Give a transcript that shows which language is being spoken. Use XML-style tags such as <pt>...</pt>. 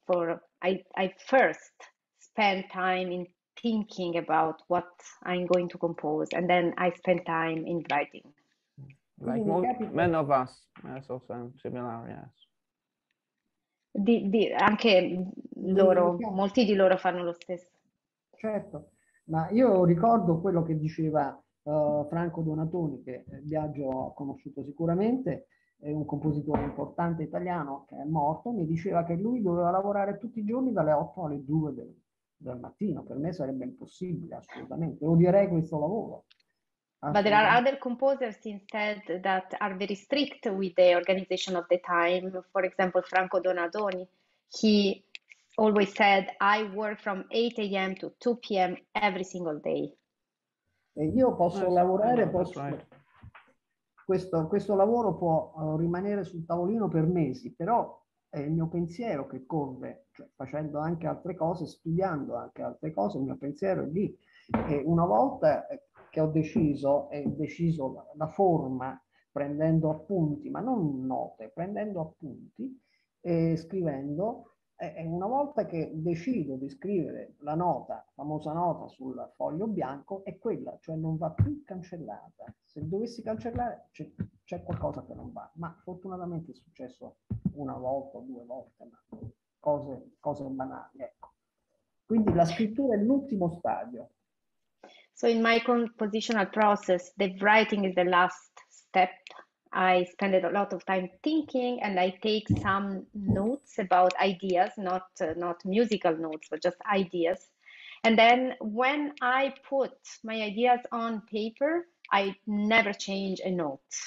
<en>For I first spend time in thinking about what I'm going to compose, and then I spend time in writing. Like most men of us, that's also similar, yes.</en> <it>Anche loro, molti di loro fanno lo stesso. Certo, ma io ricordo quello che diceva Franco Donatoni, che Biagio ha conosciuto sicuramente, è un compositore importante italiano che è morto, mi diceva che lui doveva lavorare tutti i giorni dalle 8 alle 2 del mattino. Per me sarebbe impossibile, assolutamente, odierei questo lavoro.</it> <en>But there are other composers instead that are very strict with the organization of the time. For example, Franco Donadoni, he always said, I work from 8 a.m. to 2 p.m. every single day.</en> <it>E io posso lavorare, posso...</it> <en>Right.</en> <it>Questo lavoro può rimanere sul tavolino per mesi, però è il mio pensiero che corre, cioè facendo anche altre cose, studiando anche altre cose, il mio pensiero è lì. E una volta che ho deciso, è deciso la forma, prendendo appunti, ma non note, prendendo appunti e scrivendo. E una volta che decido di scrivere la nota, famosa nota sul foglio bianco, è quella, cioè non va più cancellata. Se dovessi cancellare c'è qualcosa che non va, ma fortunatamente è successo una volta o due volte, ma cose banali, ecco. Quindi la scrittura è l'ultimo stadio.</it> <en>So in my compositional process, the writing is the last step. I spend a lot of time thinking and I take some notes about ideas, not musical notes, but just ideas. And then when I put my ideas on paper, I never change a note.</en>